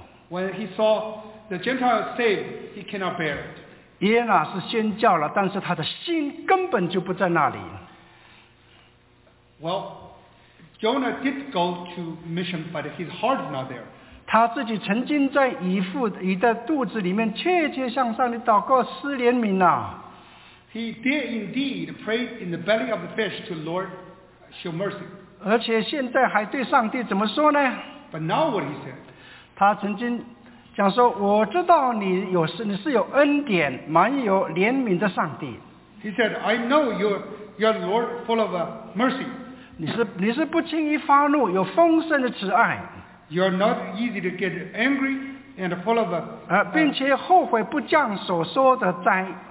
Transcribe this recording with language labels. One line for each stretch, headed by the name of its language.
English: When he saw the Gentiles saved, he cannot bear it.
Chinese: 耶拿是宣教了，但是他的心根本就不在那里。
English: Well, Jonah did go to mission, but his heart is not there.
Chinese: 他自己曾经在鱼的肚子里面切切向上帝祷告施怜悯啊。
English: He did indeed pray in the belly of the fish to the Lord show mercy.
Chinese: 而且现在还对上帝怎么说呢
English: ？But now what he said?
Chinese: 他曾经讲说：“我知道你是有恩典、满有怜悯的上帝。”
English: He said, "I know you're Lord full of mercy."
Chinese: 你是不轻易发怒，有丰盛的慈爱。
English: You're not easy to get angry and full of
Chinese: 并且后悔不降所说的灾。